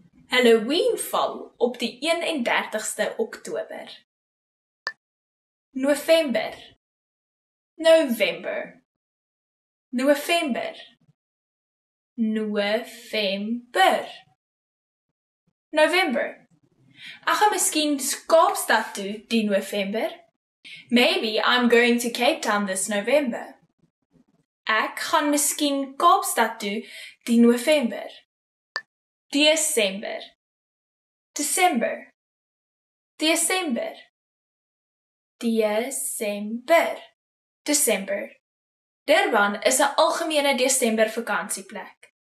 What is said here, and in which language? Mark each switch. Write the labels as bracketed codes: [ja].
[af] Halloween val op die 31ste Oktober. November. November. November. November. November. Ek gaan miskien Kaapstad toe die November. [en] Maybe I'm going to Cape Town this November. [af] Ek gaan miskien Kaapstad toe die November. December. December. December. December. December. Durban is 'n algemene December vakansieplek.